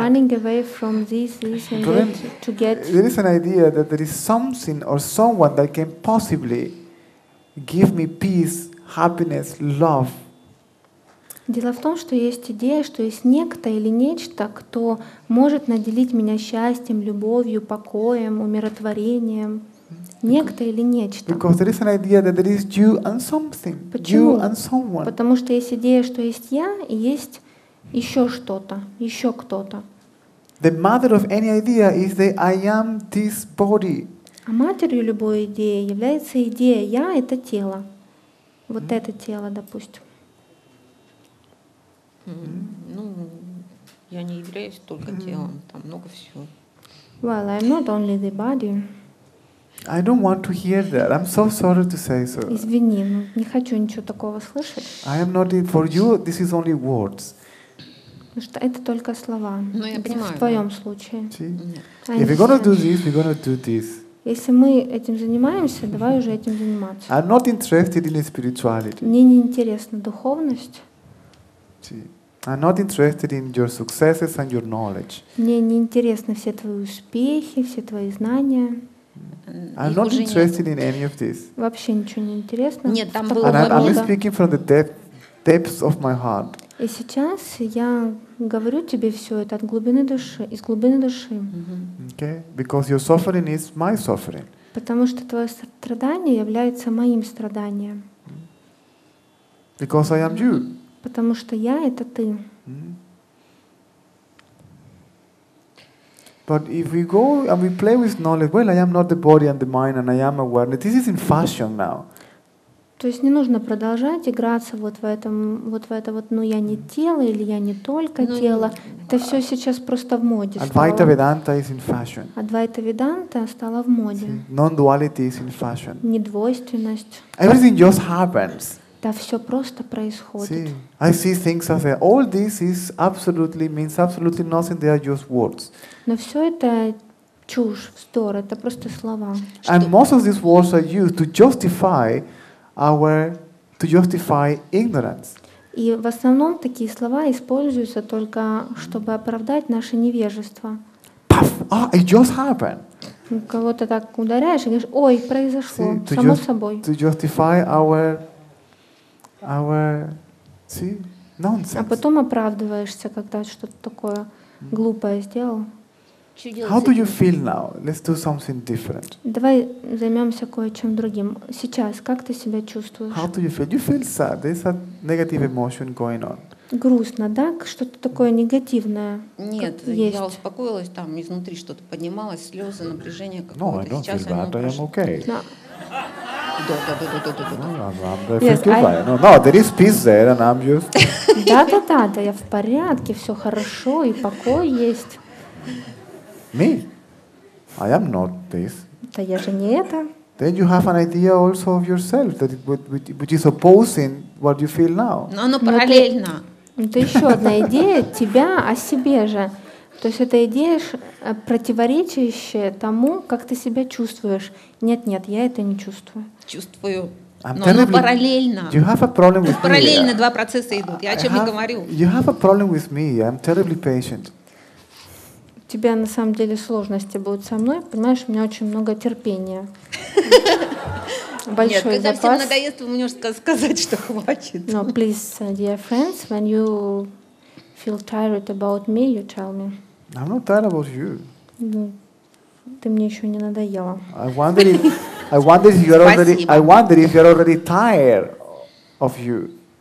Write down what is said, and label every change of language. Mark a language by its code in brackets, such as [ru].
[en] Running away from this and then, to get. There is an idea that there is something or someone that can possibly give me peace, happiness, love. [ru] Дело в том, что есть идея, что есть некто или нечто, кто может наделить меня счастьем, любовью, покоем, умиротворением. Некто или нечто. [en] Because there is an idea that there is you and something. [ru] Почему? [en] You and someone. [ru] Потому что есть идея, что есть я и есть еще что-то, еще кто-то. [en] The mother of any idea is the I am this body. [ru] А матерью любой идеи является идея я — это тело. Вот это тело, допустим. Ну, я не являюсь только телом, там много всего. [en] Well, I'm not only the body. I don't want to hear that. I'm so sorry to say so. [ru] Извини, не хочу ничего такого слышать. [en] I am not for you. This is only words. [ru] Ну что, это только слова. Ну я понимаю. В твоем случае. [en] If we're gonna do this, we're gonna do this. [ru] Если мы этим занимаемся, давай уже этим заниматься. [en] I'm not interested in spirituality. [ru] Мне не интересна духовность. [en] I'm not interested in your successes and your knowledge. [ru] Мне не интересны все твои успехи, все твои знания. [en] I'm not interested in any of this. [ru] Вообще ничего не интересно. Нет, там было много. [en] I'm speaking from the depths of my heart. [ru] И сейчас я говорю тебе все это от глубины души, из глубины души. [en] Okay, because your suffering is my suffering. [ru] Потому что твое страдание является моим страданием. [en] Because I am you. [ru] Потому что я — это ты. [en] But if we go and we play with knowledge, well, I am not the body and the mind, and I am awareness. This is in fashion now. [ru] То есть не нужно продолжать играться вот в этом, вот в это вот, ну я не тело или я не только тело. Это все сейчас просто в моде. [en] Advaita Vedanta is in fashion. [ru] Advaita Vedanta стала в моде. [en] Non-duality is in fashion. [ru] Недвойственность. [en] Everything just happens. [ru] Да, все просто происходит. [en] See, I see things as all this is absolutely means absolutely nothing. They are just words. [ru] Но все это чушь, вздор, это просто слова. [en] And most of these words are used to justify our to justify ignorance. [ru] И в основном такие слова используются только чтобы оправдать наше невежество. [en] Puff! Ah, it just happened. [ru] Кого-то так ударяешь и говоришь: «Ой, произошло, see, само собой». [en] To justify our see, nonsense. [ru] А потом оправдываешься, когда что-то такое глупое сделал. [en] How do you feel now? Let's do something different. [ru] Давай займемся кое-чем другим. Сейчас как ты себя чувствуешь? [en] How do you feel? You feel sad. There's a negative emotion going on. [ru] Грустно, да? Что-то такое негативное. Нет, есть. Я успокоилась, там изнутри что-то поднималось, слезы, напряжение какое-то. [en] No, I don't [ru] сейчас [en] feel bad, [ru] прошло. [en] I am okay. No. No, there is peace there, and I'm just. [ru] Да, я в порядке, все хорошо, и покой есть. [en] Me? I am not this. [ru] Да я же не это. [en] Then you have an idea also of yourself that which is opposing what you feel now. [ru] Но оно параллельно. Это еще одна идея тебя о себе же. То есть это идея, противоречащая тому, как ты себя чувствуешь. Нет, я это не чувствую. Чувствую. Но параллельно. [en] You have a problem with [ru] параллельно [en] me. [ru] Два процесса идут. Я о чем и говорю. [en] You have a problem with me. I'm terribly patient. [ru] У тебя на самом деле сложности будут со мной. Понимаешь, у меня очень много терпения. Большой запас. Нет, когда всем надоест, вы можете сказать, что хватит. [en] No, please, dear friends, when you feel tired about me, you tell me. I'm not tired about you. [ru] Ты мне еще не надоела. [en] I wonder if you're already tired of you.